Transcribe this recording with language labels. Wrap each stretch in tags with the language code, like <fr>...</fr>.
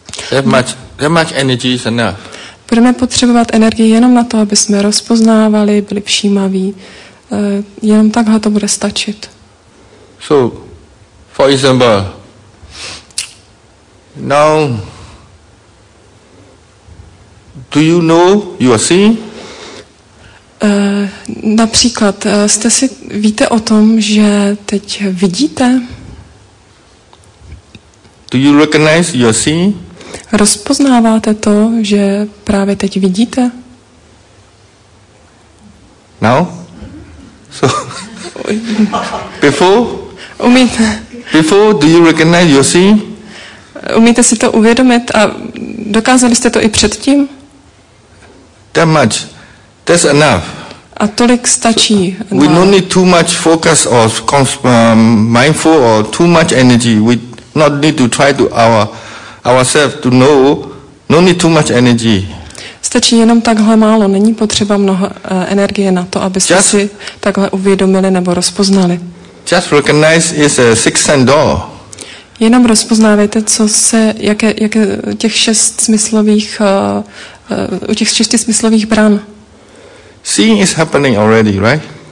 <en>That much energy is enough.</en> <cs>Budeme potřebovat energii jenom na to, aby jsme rozpoznávali, byli všímaví. Jenom takhle to bude stačit.</cs> <en>So, for example, now, do you know you are seeing?</en> <cs>Například, jste si víte o tom, že teď vidíte?</cs> <en>Do you recognize you are seeing?</en> <cs>Rozpoznáváte to, že právě teď vidíte?</cs> <en>Now? So, before?</en> <cs>Umíte.</cs> <en>Before, do you recognize your seeing?</en> <cs>Umíte si to uvědomit a dokázali jste to i předtím?</cs> <en>That much. That's enough.</en> <cs>A tolik stačí.</cs> <en>So, we don't need too much focus or mindful or too much energy. We not need to try to ourselves to know, no need too much energy.</en> <cs>Stačí jenom takhle málo, není potřeba mnoho energie na to, abyste just, si takhle uvědomili nebo rozpoznali.</cs> <en>Just recognize is a sixth sense door.</en> <cs>Jenom rozpoznávejte, co se, jaké těch šest smyslových, u těch šesti smyslových bran.</cs> <en>Seeing is happening already, right?</en>